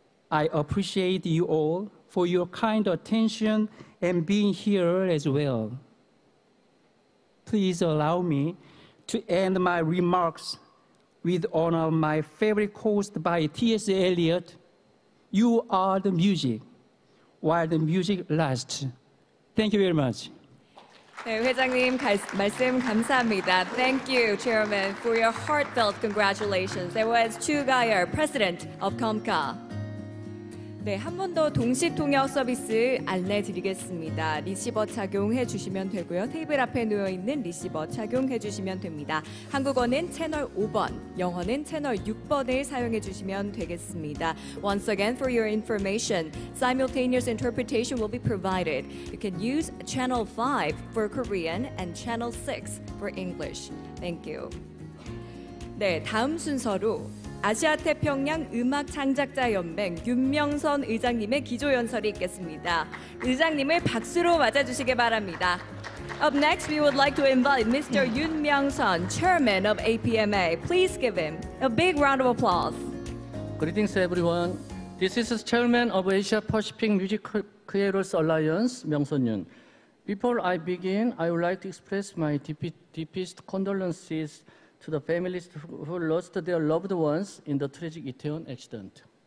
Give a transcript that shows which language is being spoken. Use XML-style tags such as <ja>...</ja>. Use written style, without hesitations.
<en>I appreciate you all for your kind attention and being here as well. Please allow me to end my remarks with one of my favorite quotes by T.S. Eliot, "You are the music, while the music lasts." Thank you very much.</en> <ko>네, 회장님 말씀 감사합니다.</ko> <en>Thank you, Chairman, for your heartfelt congratulations. It was Chu Gayer, President of COMCA.</en> <ko>네, 한 번 더 동시통역 서비스 안내 드리겠습니다. 리시버 착용해 주시면 되고요. 테이블 앞에 놓여 있는 리시버 착용해 주시면 됩니다. 한국어는 채널 5번, 영어는 채널 6번을 사용해 주시면 되겠습니다.</ko> <en>Once again, for your information, simultaneous interpretation will be provided. You can use channel 5 for Korean and channel 6 for English. Thank you.</en> <ko>네, 다음 순서로 아시아태평양 음악창작자연맹 윤명선 의장님의 기조연설이 있겠습니다. 의장님을 박수로 맞아주시기 바랍니다.</ko> <en>Up next, we would like to invite Mr. Yun Myung-sun, Chairman of APMA. Please give him a big round of applause. Greetings, everyone. This is Chairman of Asia-Pacific Music Creators Alliance, Myung-sun Yun. Before I begin, I would like to express my deepest condolences to the families who lost their loved ones in the tragic Itaewon accident.</en>